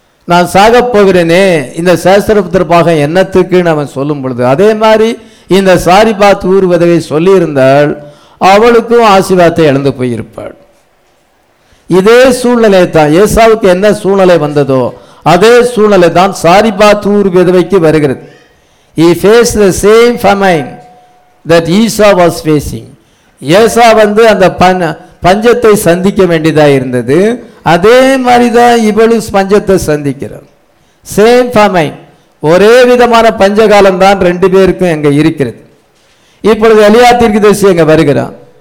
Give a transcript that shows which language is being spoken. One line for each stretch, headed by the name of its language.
Tamil: நான் சாகப்போகிறேனே இந்த சாஸ்திரபுத்திரப்பாக என்னத்துக்குன்னு அவன் சொல்லும் பொழுது, அதே மாதிரி இந்த சாரிபா தூர் விதவை சொல்லியிருந்தால் அவளுக்கும் ஆசீர்வாதத்தை இழந்து போயிருப்பாள். இதே சூழ்நிலையை தான் ஏசாவுக்கு என்ன சூழ்நிலை வந்ததோ அதே சூழ்நிலை தான் சாரிபா தூர் விதவைக்கு வருகிறது.
English: He faced the same famine that Esau was facing.
Tamil: ஏசா வந்து அந்த பஞ்சத்தை சந்திக்க வேண்டியதாக இருந்தது, அதே மாதிரி தான் இவளும் பஞ்சத்தை சந்திக்கிறார்.
English: same famine,
Tamil: ஒரே விதமான பஞ்சகாலம் தான் ரெண்டு பேருக்கும் அங்கே இருக்கிறது. இப்பொழுது எலியாத்தீர்க்க தரிசி அங்கே வருகிறான்.